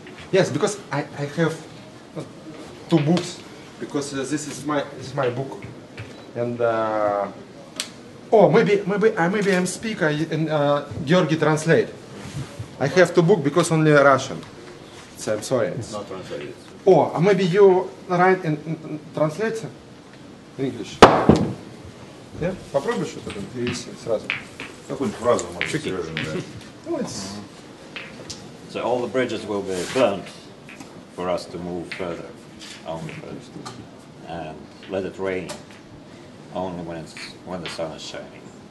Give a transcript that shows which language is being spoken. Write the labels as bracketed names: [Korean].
[English] Yes, because I have 2 books, because this is my book, and maybe I'm speaker and Georgi translate. I have 2 book because only Russian, so I'm sorry. It's not translated. Oh, maybe you write and translate in English. [Russian] Yeah, попробуй что-то там сразу. Какую-нибудь фразу можешь сказать. [English] So all the bridges will be burnt for us to move further on the coast and let it rain only when the sun is shining.